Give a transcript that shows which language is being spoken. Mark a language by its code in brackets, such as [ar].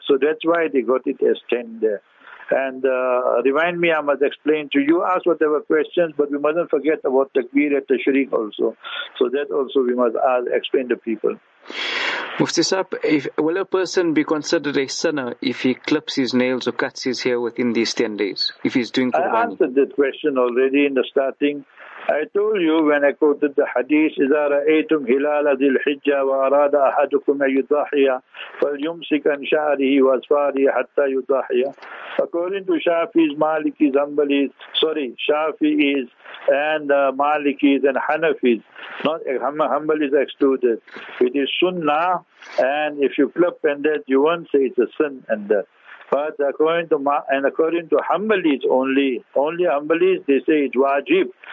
[en] So that's why they got it as 10 there. And remind me, I must explain to you, ask whatever questions, but we mustn't forget about Takbir at Tashriq also. So that also we must ask, explain to people. Mufti Saab, will a person be considered a sinner if he clips his nails or cuts his hair within these 10 days, if he's doing Qurbani? I answered that question already in the starting. I told you when I quoted the hadith, [ar] إِذَا رَأَيْتُمْ هِلَالَ ذِي الْحِجَّةِ وَأَرَادَ أَحَدُكُمْ يُضَاحِيَ فَلْيُمْسِكْ عَنْ شَعْرِهِ وَأَظْفَارِهِ حَتَّى يُضَاحِيَ. [en] According to Shafi's, Maliki's, Hanbali's, Shafi's and Maliki's and Hanafi's, not Hanbali's excluded. It is Sunnah, and if you clip and that, you won't say it's a sin and that. But according to Hanbalis only Hanbalis, they say it's wajib.